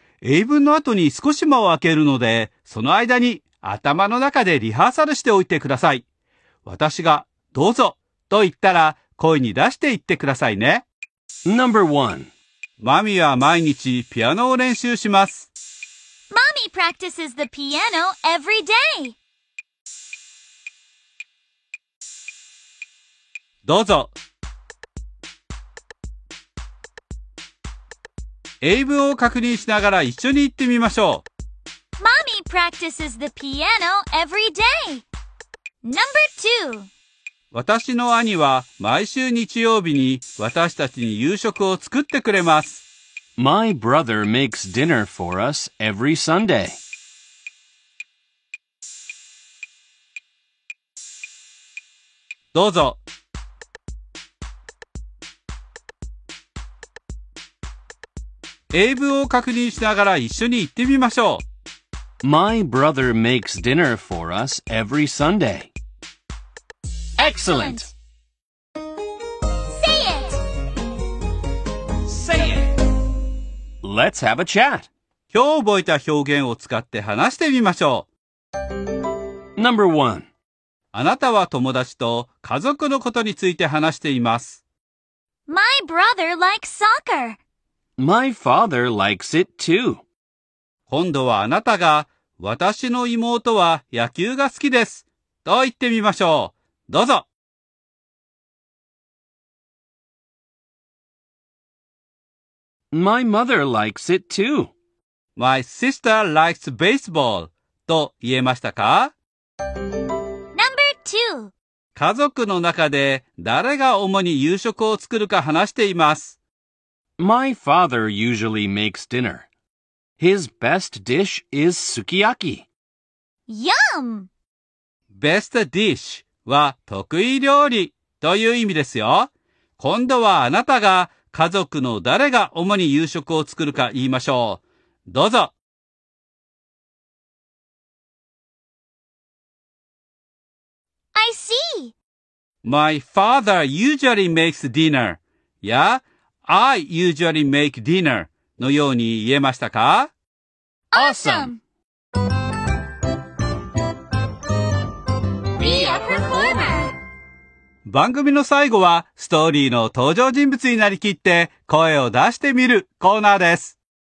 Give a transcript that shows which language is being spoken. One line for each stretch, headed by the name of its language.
Japanese: 英文の後に少し間を空けるので、その間に頭の中でリハーサルしておいてください。私がどうぞと言ったら、声に出して言ってくださいね。
English: Number one.
Japanese: マミは毎日ピアノを練習します。
English: マミ practices the piano every day.
Japanese: どうぞ。英文を確認しながら一緒に言ってみましょう。
English: マミ practices the piano every day. Number two.
Japanese: 私の兄は毎週日曜日に私たちに夕食を作ってくれます。
English: My brother makes dinner for us every Sunday.
Japanese: どうぞ。英文を確認しながら一緒に言ってみましょう。
English: My brother makes dinner for us every Sunday. Excellent! Say it! Say it! Let's have a chat!
Japanese: 今日覚えた表現を使って話してみましょう。
English: Number one.
Japanese: あなたは友達と家族のことについて話しています。
English: My brother likes soccer. My father likes it too.
Japanese: 今度はあなたが私の妹は野球が好きです。と言ってみましょう。どうぞ。
English: My mother likes it too. My sister likes baseball.
Japanese: と言えましたか？
English: Number two.
Japanese: 家族の中で誰が主に夕食を作るか話しています。
English: My father usually makes dinner. His best dish is sukiyaki. Yum! Best dish
Japanese: は得意料理という意味ですよ。今度はあなたが家族の誰が主に夕食を作るか言いましょう。どうぞ。
English: I see. My father usually makes dinner.
Japanese: や、
English: I usually make dinner
Japanese: のように言えましたか？
English: Awesome! Be a performer!
Japanese: 番組の最後はストーリーの登場人物になりきって声を出してみるコーナーです。